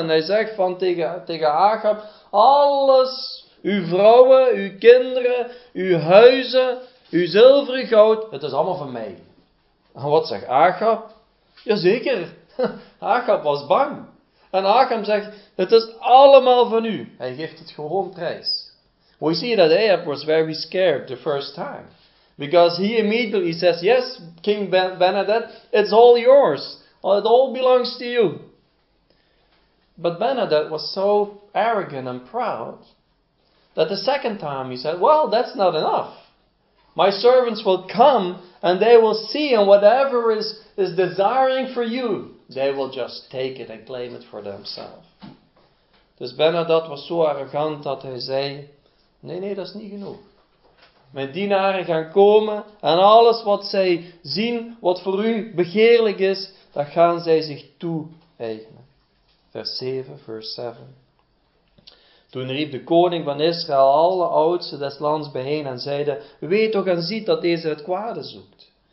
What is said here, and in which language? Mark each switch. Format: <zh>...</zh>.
<nl>En hij zegt van tegen Achab, alles, uw vrouwen, uw kinderen, uw huizen, uw zilver, uw goud, het is allemaal van mij. En wat zegt Achab? Jazeker, Achab was bang. En Achab zegt, het is allemaal van u. Hij geeft het gewoon prijs.</nl> <en>We see that Ahab was very scared the first time. Because he immediately says, yes, King Ben-Hadad, it's all yours. It all belongs to you. But Ben-Hadad was so arrogant and proud that the second time he said, well, that's not enough. My servants will come and they will see, and whatever is desiring for you, they will just take it and claim it for themselves.</en> <nl>Dus Ben-Hadad was zo arrogant dat hij zei, nee, dat is niet genoeg. Mijn dienaren gaan komen en alles wat zij zien, wat voor u begeerlijk is, dat gaan zij zich toe-eigenen. Vers 7. Toen riep de koning van Israël alle oudsten des lands bijeen en zeide, weet toch en ziet dat deze het kwade zoekt.</nl>